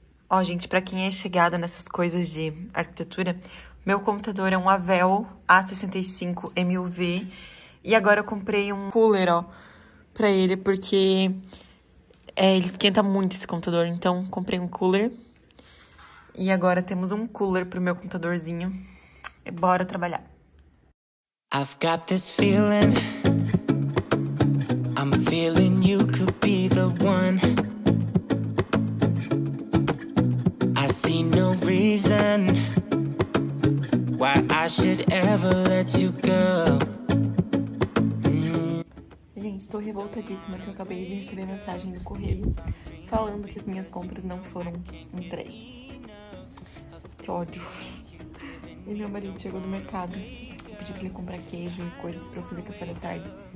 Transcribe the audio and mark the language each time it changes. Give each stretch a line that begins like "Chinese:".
Portuguese: Ó, gente, pra quem é chegada nessas coisas de arquitetura, meu computador é um Avell A65MUV e agora eu comprei um cooler, ó, pra ele, porque ele esquenta muito esse computador, então comprei um cooler. E agora temos um cooler pro meu computadorzinho. E bora trabalhar.
English: I've got this feeling, I'm feeling you could be the one. I see no reason why I should ever let you go.
Portuguese: Gente, tô revoltadíssima que eu acabei de receber mensagem do correio falando que as minhas compras não foram em 3. Que ódio. E meu marido chegou do mercado. Eu pedi pra ele comprar queijo e coisas pra eu fazer café da tarde.